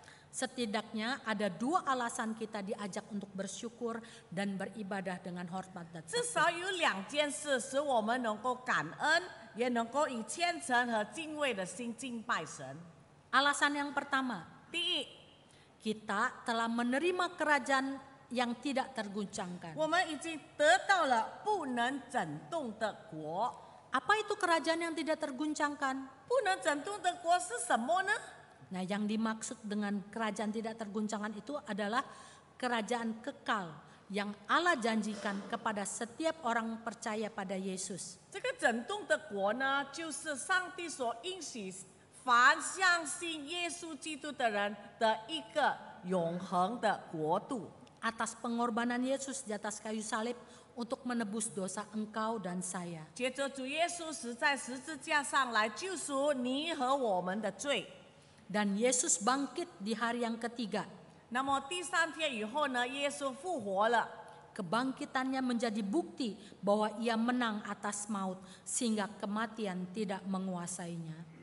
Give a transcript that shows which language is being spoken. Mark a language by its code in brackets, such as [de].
[id] Setidaknya ada dua alasan kita diajak untuk bersyukur dan beribadah dengan hormat dan takut. [zh] 至少有两件事使我们能够感恩，也能够以虔诚和敬畏的心敬拜神。 [id] Alasan yang pertama, Di, kita telah menerima kerajaan yang tidak terguncangkan. [zh] 我们已经得到了不能震动的国。 [id] Apa itu kerajaan yang tidak terguncangkan? [zh] 不能震动的国是什么呢？ [id] Nah, yang dimaksud dengan kerajaan tidak terguncangan itu adalah kerajaan kekal yang Allah janjikan kepada setiap orang percaya pada Yesus. [zh] 这个整栋的国呢，就是上帝所应许凡相信耶稣基督的人的一个永恒的国度。 [id] Atas pengorbanan Yesus di atas kayu salib untuk menebus dosa engkau dan saya. [zh] 借着主耶稣死在十字架上来救赎你和我们的罪。 [id] Dan Yesus bangkit di hari yang ketiga. [zh] 那么第三天以后呢，耶稣复活了。 [id] Kebangkitannya menjadi bukti bahwa ia menang atas maut sehingga kematian tidak menguasainya.